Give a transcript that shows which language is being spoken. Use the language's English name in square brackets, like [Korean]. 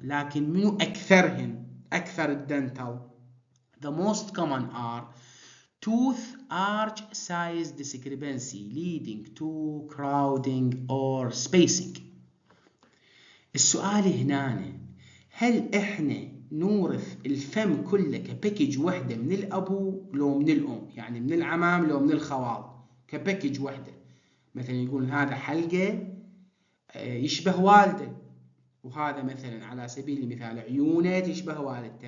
[Arabic] لكن منو أكثرهن؟ أكثر الدنتال. [English] The most common are tooth arch size discrepancy leading to crowding or spacing. [Arabic] السؤال هنا، هل احنا نورث الفم كله كباكج واحدة من الابو لو من الام، يعني من العمام لو من الخوال كباكج واحدة؟ مثلا يقول هذا حلقة يشبه والده، وهذا مثلا على سبيل المثال عيونه يشبه والده.